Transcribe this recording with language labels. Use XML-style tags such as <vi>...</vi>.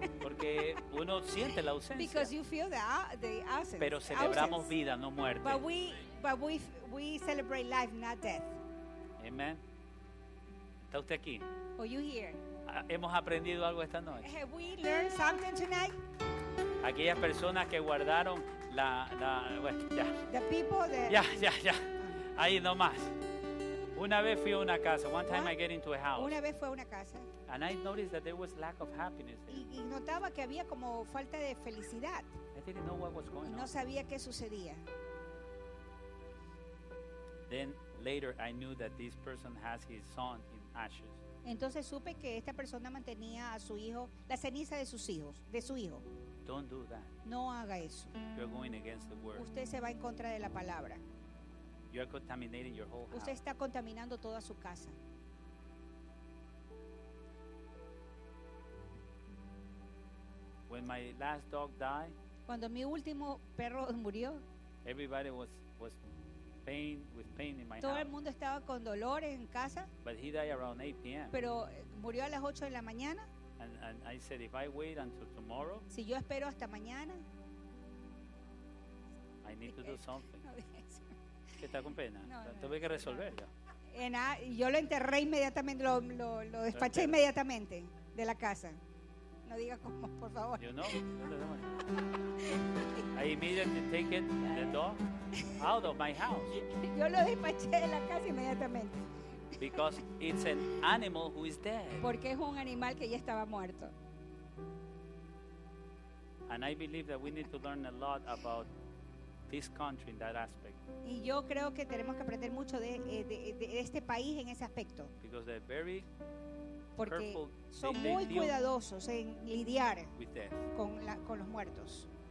<es>Porque uno siente la ausencia.</es> <en>Because you feel the absence.</en> <es>Pero celebramos vida, no muerte.</es> <en>But we celebrate life, not death.</en> <es>Amen. ¿Está usted aquí?</es> <en>Are you here?</en> <es>¿Hemos aprendido algo esta noche?</es> <en>Have we learned something tonight?</en> <es>Aquellas personas que guardaron la bueno, ya.</es> <en>The people that.</en> <es>Ya. Ahí no más. Una vez fui a una casa.</es> <en>One time I get into a house.</en> <es>Una vez fue a una casa.</es> <en>And I noticed that there was lack of happiness there.</en> <es>Y notaba que había como falta de felicidad.</es> <en>I didn't know what was going on.</en> <es>Y no sabía qué sucedía.</es> <en>Then later I knew that this person has his son in ashes.</en> <es>Entonces supe que esta persona mantenía a su hijo, la ceniza de sus hijos, de su hijo.</es> <en>Don't do that.</en> <es>No haga eso.</es> <en>You're going against the word.</en> <es>Usted se va en contra de la palabra.</es> <en>You're contaminating your whole house.</en> <es>Usted está contaminando toda su casa.</es> <en>When my last dog died,</en> <es>cuando mi último perro murió,</es> <en>everybody was pain, with pain in my</en> <es>todo</es> <en>house.</en> <es>El mundo estaba con dolor en casa.</es> <en>But he died around 8 p.m.</en> <es>Pero murió a las 8 de la mañana.</es> <en>And I said, if I wait until tomorrow,</en> <es>si yo espero hasta mañana,</es> <en>I need to do something.</en> <es>Que está con pena. No, tuve que resolverlo. Yo lo enterré inmediatamente, lo despaché inmediatamente de la casa. No diga cómo, por favor.</es> <en>You know, I immediately take it, the dog out of my house.</en> <es>Yo lo despaché de la casa inmediatamente.</es> <en>Because it's an animal who is dead.</en> <es>Porque es un animal que ya estaba muerto.</es> <en>And I believe that we need to learn a lot about this country in that aspect.</en> <es>Y yo creo que tenemos que aprender mucho de este país en ese aspecto.</es> <en>Because they're very</en> <es>porque</es> <en>careful,</en> <es>son muy cuidadosos en lidiar con los muertos.</es>